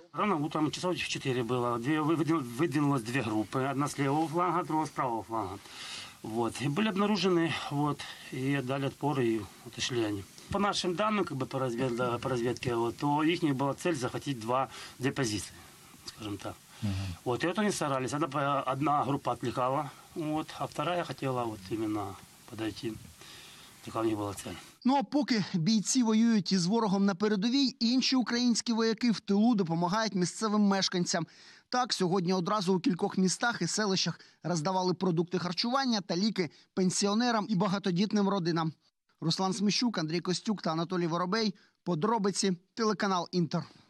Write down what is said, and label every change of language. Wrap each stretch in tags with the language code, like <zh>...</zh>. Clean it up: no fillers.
<ru>Рано утром часов</ru> <uk>4 було. Виділилось дві групи. Одна з лівого фланга, друга з правого фланга. Вот. І були обнаружені, вот. І дали відпори, і отошли вони. По нашим даним, как бы, по розвідці, вот, то їхня була ціль захватити дві позиції.</uk> <ru>Скажем так. Угу. Вот, и вот они старались. Одна группа отвлекала, вот, а вторая хотела вот именно подойти. Такая у них была цель.</ru> <uk>Ну а поки бійці воюють із ворогом на передовій, інші українські вояки в тилу допомагають місцевим мешканцям. Так, сьогодні одразу у кількох містах і селищах роздавали продукти харчування та ліки пенсіонерам і багатодітним родинам. Руслан Сміщук, Андрій Костюк та Анатолій Воробей. Подробиці телеканал Інтер.</uk>